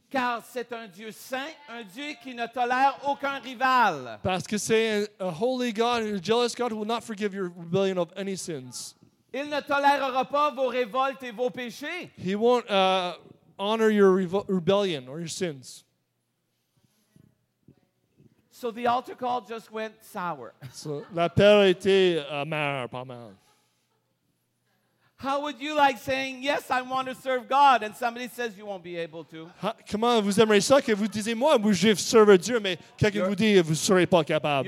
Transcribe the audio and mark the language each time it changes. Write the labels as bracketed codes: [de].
[fr] Car c'est un Dieu saint, un Dieu qui ne tolère aucun rival. Parce que c'est un [en] holy God, a jealous God who will not forgive your rebellion of any sins. [fr] Il ne tolérera pas vos révoltes et vos péchés. [en] He won't honor your rebellion or your sins. So the altar call just went sour. [fr] So l'appel était amer, pas mal. [en] How would you like saying yes, I want to serve God, and somebody says you won't be able to? [fr] Comment vous aimeriez ça que vous disiez moi, vous voulez servir Dieu, mais quelqu'un vous dit vous serez pas capable.